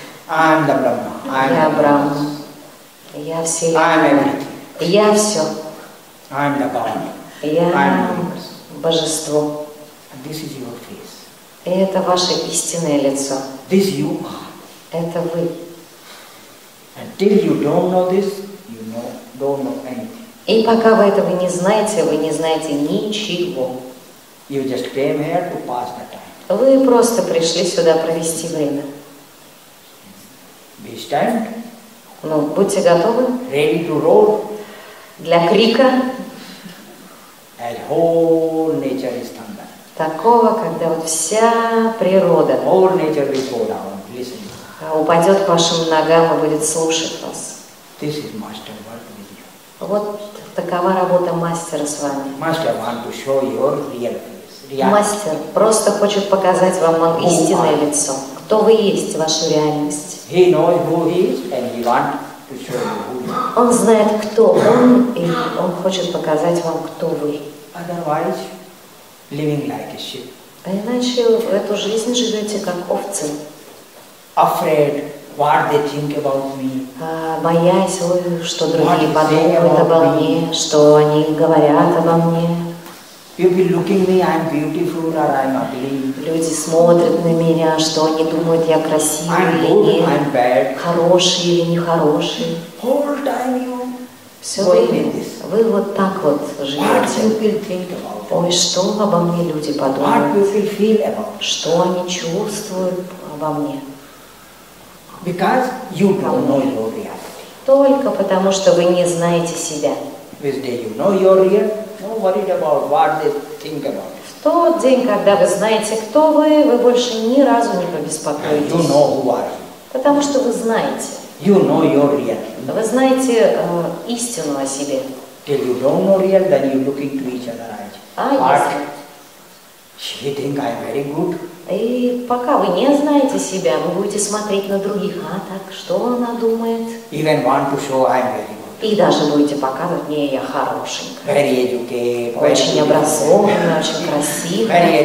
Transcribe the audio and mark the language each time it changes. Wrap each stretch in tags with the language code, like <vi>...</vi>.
<en>I'm the Brahma. I'm</en> <ru>я Брахма. Я Вселенная.</ru> <en>I'm everything.</en> <ru>Я все.</ru> <en>I'm the God.</en> <ru>Я Божество.</ru> <en>And this is your face.</en> <ru>И это ваше истинное лицо.</ru> <en>This you.</en> <ru>Это вы.</ru> <en>Until you don't know this, you know, don't know anything.</en> <ru>И пока вы этого не знаете, вы не знаете ничего.</ru> <en>You just came here to pass the time.</en> <ru>Вы просто пришли сюда провести время.</ru> <en>Be stand.</en> <ru>Ну, будьте готовы.</ru> <en>Ready to roar.</en> <ru>Для крика.</ru> <en>And whole nature is thunder.</en> <ru>Такого, когда вот вся природа.</ru> <en>Whole nature will fall down. Listen.</en> <ru>Упадет к вашим ногам и будет слушать вас.</ru> <en>This is master work with you.</en> <ru>Вот такова работа мастера с вами.</ru> <en>Master want to show your real face.</en> <ru>Мастер просто хочет показать вам истинное лицо. Кто вы есть, вашу реальность.</ru> <en>He knows who he is and he want to show you who he is.</en> <ru>Он знает, кто он, и он хочет показать вам, кто вы.</ru> <en>Otherwise, living like a sheep.</en> <ru>А иначе в эту жизнь живете как овцы.</ru> <en>Afraid what they think about me.</en> <ru>Боясь, что другие подумают обо мне, что они говорят обо мне.</ru> <en>People looking me, I'm beautiful or I'm ugly.</en> <ru>Люди смотрят на меня, что они думают, я красивый или нет, хороший или нехороший.</ru> <en>Whole time you.</en> <ru>Все вы вот так вот живете. Ой, что обо мне люди подумают? Что они чувствуют обо мне?</ru> <en>Because you don't know your reality.</en> <ru>Только потому, что вы не знаете себя.</ru> <en>This day you know your real, no worried about what they think about.</en> <ru>В тот день, когда вы знаете, кто вы больше ни разу не побеспокоитесь.</ru> <en>You know who are you.</en> <ru>Потому что вы знаете.</ru> <en>You know your reality.</en> <ru>Вы знаете истину о себе.</ru> <en>If you don't know reality, then you look into each other eyes. Heart. She think I'm very good.</en> <ru>И пока вы не знаете себя, вы будете смотреть на других, а так, что она думает?</ru> <en>Even want to show I'm very good.</en> <ru>И даже будете показывать, не, я хорошенькая.</ru> <en>Very educated. Very</en> <ru>очень образованная, очень красивая.</ru>